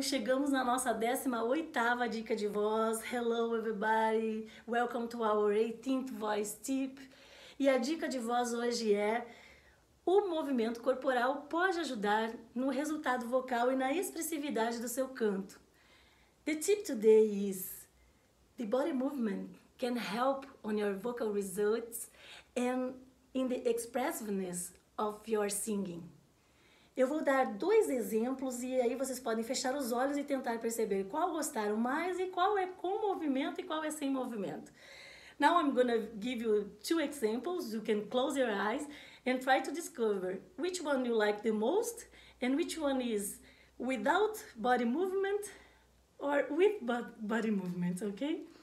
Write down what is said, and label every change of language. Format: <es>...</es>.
<pt>Chegamos na nossa 18ª dica de voz.</pt> <en>Hello, everybody! Welcome to our 18th voice tip.</en> <pt>E a dica de voz hoje é: o movimento corporal pode ajudar no resultado vocal e na expressividade do seu canto.</pt> <en>The tip today is: the body movement can help on your vocal results and in the expressiveness of your singing.</en> <pt>Eu vou dar dois exemplos e aí vocês podem fechar os olhos e tentar perceber qual gostaram mais e qual é com movimento e qual é sem movimento.</pt> <en>Now I'm gonna give you two examples. You can close your eyes and try to discover which one you like the most and which one is without body movement or with body movement, okay?</en>